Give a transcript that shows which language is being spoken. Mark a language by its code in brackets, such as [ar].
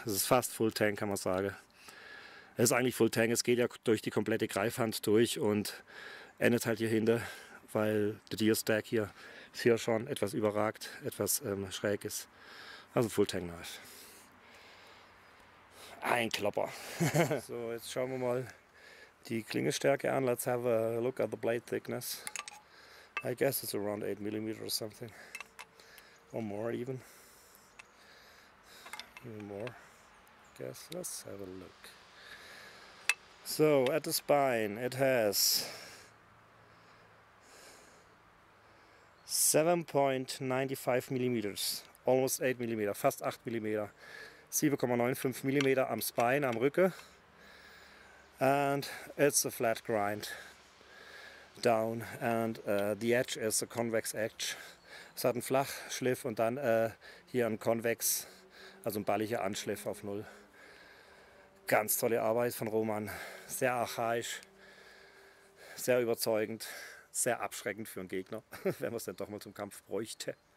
[de] Es ist fast full tang, kann man sagen. Es ist eigentlich full tang. Es geht ja durch die komplette Greifhand durch und endet halt hier hinten, weil der Deer Stack hier ist hier schon etwas überragt, etwas schräg ist. Also Full Tank Knife. Ein Klopper. So, jetzt schauen wir mal die Klingestärke an. [en] Let's have a look at the blade thickness. I guess it's around 8 mm or something. Or more even. Even more. I guess. Let's have a look. So, at the spine it has 7.95 mm, almost 8 mm, [de] fast 8 mm, 7,95 mm am Spine, am Rücken. [en] and it's a flat grind down, and the edge is a convex edge. [de] Es hat einen Flachschliff und dann hier ein Konvex, also ein balliger Anschliff auf Null. Ganz tolle Arbeit von Roman, sehr archaisch, sehr überzeugend, sehr abschreckend für einen Gegner, wenn man es dann doch mal zum Kampf bräuchte.